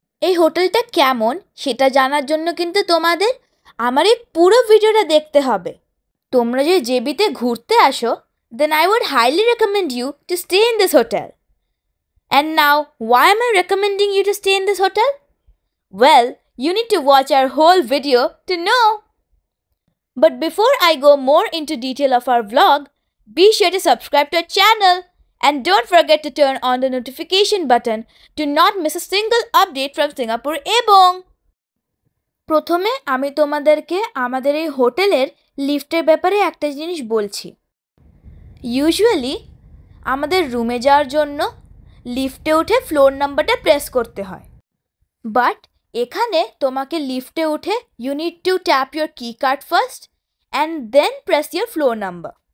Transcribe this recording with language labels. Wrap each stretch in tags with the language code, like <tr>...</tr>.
<bn>এই হোটেলটা কেমন সেটা জানার জন্য কিন্তু তোমাদের আমার এই পুরো ভিডিওটা দেখতে হবে। তোমরা যদি জেবিতে ঘুরতে আসো,</bn> <en>Then I would highly recommend you to stay in this hotel. And now, why am I recommending you to stay in this hotel? Well, you need to watch our whole video to know. But before I go more into detail of our vlog, be sure to subscribe to our channel and don't forget to turn on the notification button to not miss a single update from Singapore Ebong.</en> <bn>প্রথমে আমি তোমাদেরকে আমাদের এই হোটেলের লিফটের ব্যাপারে একটা জিনিস বলছি। ইউজুয়ালি আমাদের রুমে যাওয়ার জন্য লিফটে উঠে ফ্লোর নাম্বারটা প্রেস করতে হয়, বাট এখানে তোমাকে লিফটে উঠে</bn> <en>You need to tap your key card first and then press your floor number.</en>